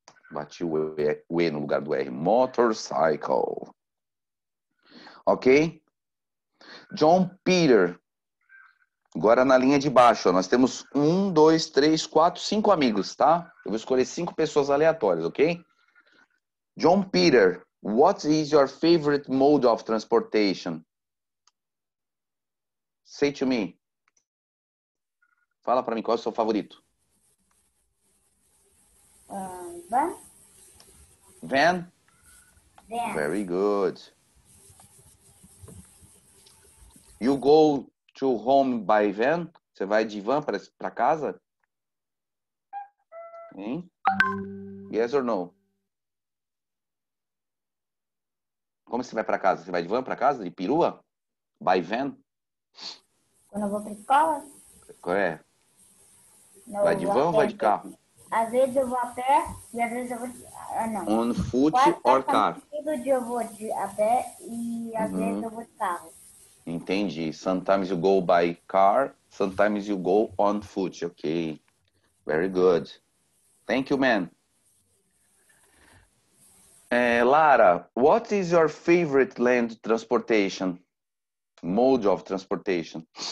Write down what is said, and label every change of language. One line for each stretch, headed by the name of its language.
Portuguese: Bati o E no lugar do R. Motorcycle. Ok?
English: John Peter.
Portuguese: Agora na linha de baixo, ó, nós temos 1, 2, 3, 4, 5 amigos, tá? Eu vou escolher 5 pessoas aleatórias, ok?
English: John Peter, what is your favorite mode of transportation? Say to me.
Portuguese: Fala pra mim, qual é o seu favorito?
English: Van. Van? Van. Very good. You go to home by van?
Portuguese: Você vai de van para casa?
English: Hein? Yes or no?
Portuguese: Como você vai para casa? Você vai de van para casa? De perua?
English: By van?
Portuguese: Quando eu vou para escola? Qual é? Não, vai de van ou vai de carro? Às vezes eu vou a pé e às vezes eu vou de... Ah, não.
English: On foot or car?
Portuguese: Todo dia eu vou de a pé e às vezes eu vou de carro. Entendi.
English: Sometimes you go by car, sometimes you go on foot. Ok. Very good. Thank you, man. Lara, what is your favorite land transportation? Mode of transportation?